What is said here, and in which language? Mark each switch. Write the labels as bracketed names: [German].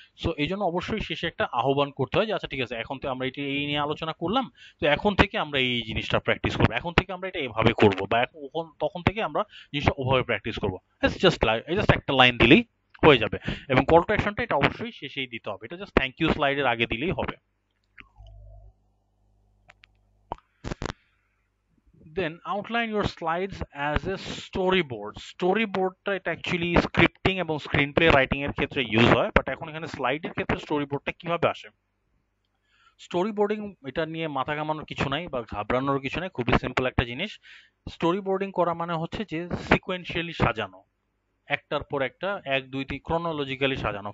[Bangla] So এই জন্য অবশ্যই শেষে একটা আহ্বান করতে হয় যে আচ্ছা ঠিক আছে এখন তো আমরা এটি এই নিয়ে আলোচনা করলাম, তো এখন থেকে আমরা এই জিনিসটা প্র্যাকটিস করবো, এখন থেকে আমরা এটা এভাবে করবো, বা এখন তখন থেকে আমরা জিনিসটা ওভাবে প্র্যাকটিস করবো। [English] it's just like just [Bangla] একটা লাইন দিলেই হয়ে যাবে, এবং কল টু অ্যাকশনটা এটা অবশ্যই শেষেই দিতে হবে, এটা জাস্ট থ্যাংক ইউ স্লাইডের আগে দিলেই হবে। [English] then outline your slides as a storyboard. [Bangla] Storyboard টা এটা actually scripting এবং screenplay writing এর ক্ষেত্রে use হয়, but এখন এখানে slide এর ক্ষেত্রে storyboard টা কিভাবে আসে? স্টোরিবোর্ডিং এটা নিয়ে মাথা ঘামানোর কিছু নাই বা ঘাবড়ানোর কিছু নাই, খুবই সিম্পল একটা জিনিস। স্টোরিবোর্ডিং করা মানে হচ্ছে যে সিকোয়েন্সিয়ালি সাজানো, একটার পর একটা, এক দুই তিন, ক্রোনোলজিক্যালি সাজানো।